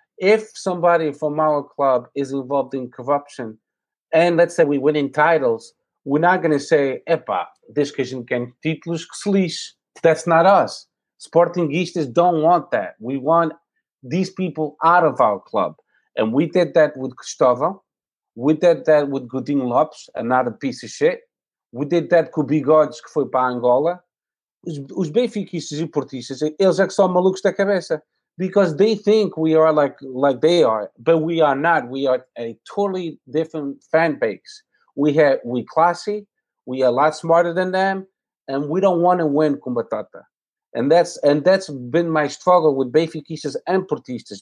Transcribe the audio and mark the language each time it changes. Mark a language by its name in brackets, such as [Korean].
[English] If somebody from our club is involved in corruption, and let's say we win in titles, we're not going to say, epa, this question can [Portuguese] títulos que se lixe. [English] That's not us. Sportingistas don't want that. We want these people out of our club. And we did that with Cristóvão. We did that with Godinho Lopes, another piece of shit. We did that [Portuguese] com o Bigodes, que foi para Angola. Os benfiquistas e portistas, eles é que são malucos da cabeça. [English] Because they think we are like they are, but we are not. We are a totally different fan base. We classy. We are a lot smarter than them, and we don't want to win [Portuguese] com batata. [English] And that's been my struggle with Benfiquistas and Portistas.